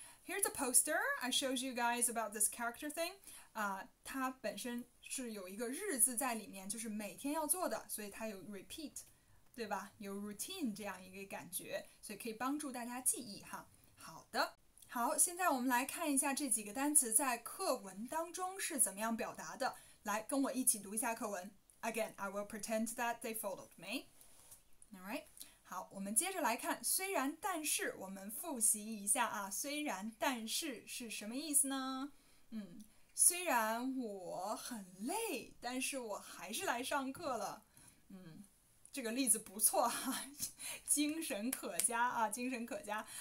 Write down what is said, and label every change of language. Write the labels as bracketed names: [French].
[English] Here's a poster I showed you guys about this character thing. [Chinese] 它本身是有一个日字在里面，就是每天要做的，所以它有 repeat， 对吧？有 routine 这样一个感觉，所以可以帮助大家记忆哈。好的，好，现在我们来看一下这几个单词在课文当中是怎么样表达的。来，跟我一起读一下课文。 [English] Again, I will pretend that they followed me. All right. [Chinese] 好，我们接着来看，虽然但是，我们复习一下啊，虽然但是是什么意思呢？嗯，虽然我很累，但是我还是来上课了。嗯，这个例子不错啊，精神可嘉啊，精神可嘉。